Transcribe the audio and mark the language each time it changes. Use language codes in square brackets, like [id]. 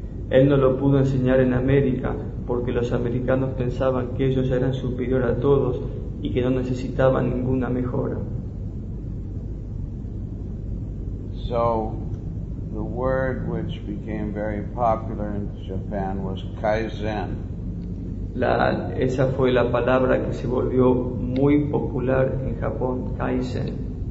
[es] Él no lo pudo enseñar en América porque los americanos pensaban que ellos eran superior a todos y que no necesitaban ninguna mejora. [en] So the word which became very popular in Japan was Kaizen. [es] Esa fue la palabra que se volvió muy popular en Japón, Kaizen.